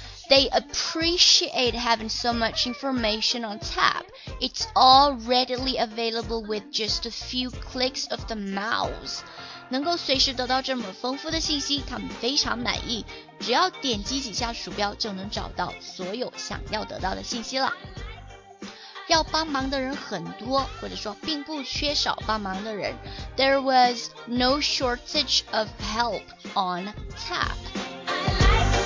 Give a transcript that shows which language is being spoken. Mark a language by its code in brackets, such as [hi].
[en] They appreciate having so much information on tap. It's all readily available with just a few clicks of the mouse. [zh] 能够随时得到这么丰富的信息，他们非常满意，只要点击几下鼠标就能找到所有想要得到的信息了。要帮忙的人很多，或者说并不缺少帮忙的人。 [en] There was no shortage of help on tap.